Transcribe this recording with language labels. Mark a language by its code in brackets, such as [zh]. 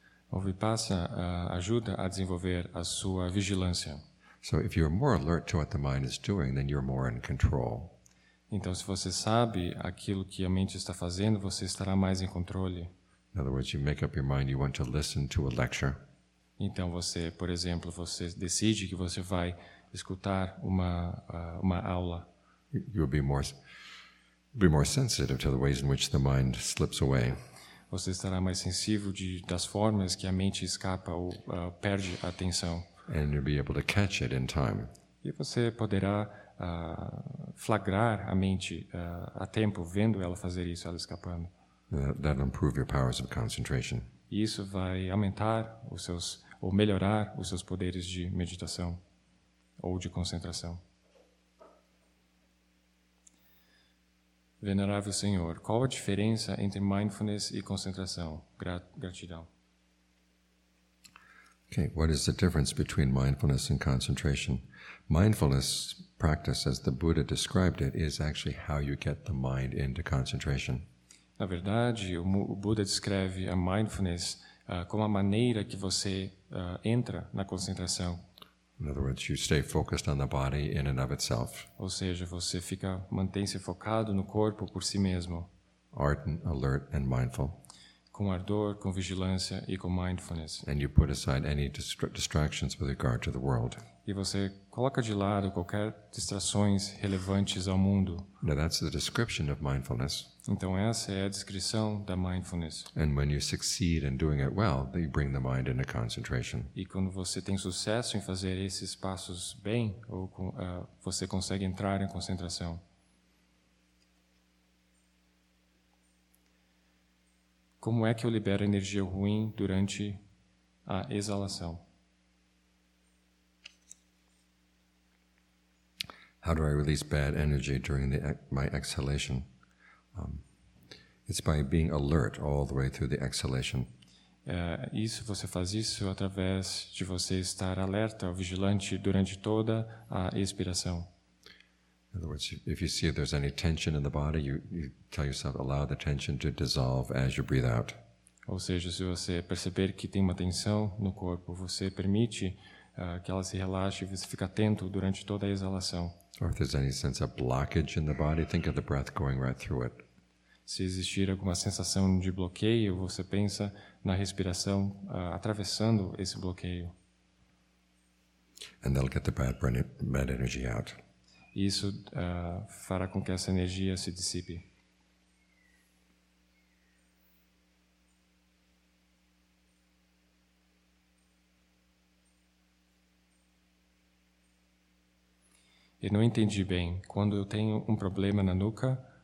[pt] O vipassana ajuda a desenvolver a sua vigilância. [en] So if you're more alert to what the mind is doing, then you're more in control. [pt] Então, se você sabe aquilo que a mente está fazendo, você estará mais em controle. [en] In other words, you make up your mind you want to listen to a lecture. [pt] Então você, por exemplo, você decide que você vai escutar uma aula. [en] You'll be more sensitive to the ways in which the mind slips away. [pt] Você estará mais sensível das formas que a mente escapa ou perde a atenção. [en] And you'll be able to catch it in time. [pt] E você poderá flagrar a mente a tempo, vendo ela fazer isso, ela escapando. [en] That'll improve your powers of concentration. [pt] E isso vai aumentar os seus ou melhorar os seus poderes de meditação ou de concentração. Venerável Senhor, qual a diferença entre mindfulness e concentração? Gratidão. [en] Okay, what is the difference between mindfulness and concentration? Mindfulness practice, as the Buddha described it, is actually how you get the mind into concentration. [pt] Na verdade, o Buda descreve a mindfulness como a maneira que você entra na concentração. [en] In other words, you stay focused on the body in and of itself. [pt] Ou seja, você fica mantém-se focado no corpo por si mesmo. [en] Ardent, alert and mindful. [pt] Com ardor, com vigilância e com mindfulness. [en] And you put aside any distractions with regard to the world. [pt] E você coloca de lado qualquer distrações relevantes ao mundo. [en] Now that's the description of mindfulness. [pt] Então essa é a descrição da mindfulness. [en] And when you succeed in doing it well, you bring the mind into concentration. [pt] E quando você tem sucesso em fazer esses passos bem, ou você consegue entrar em concentração. Como é que eu libero energia ruim durante a exalação? [en] How do I release bad energy during my exhalation? It's by being alert all the way through the exhalation. [pt] Isso você faz isso através de você estar alerta, vigilante durante toda a expiração. [en] In other words, if you see if there's any tension in the body, you tell yourself, allow the tension to dissolve as you breathe out. [pt] Ou seja, se você perceber que tem uma tensão no corpo, você permite que ela se relaxe e você fica atento durante toda a exalação. [en] Or if there's any sense of blockage in the body, think of the breath going right through it. [pt] Se existir alguma sensação de bloqueio, você pensa na respiração atravessando esse bloqueio. [en] And that'll get the bad energy out. [pt] Isso fará com que essa energia se dissipe. Eu não entendi bem. Quando eu tenho um problema na nuca...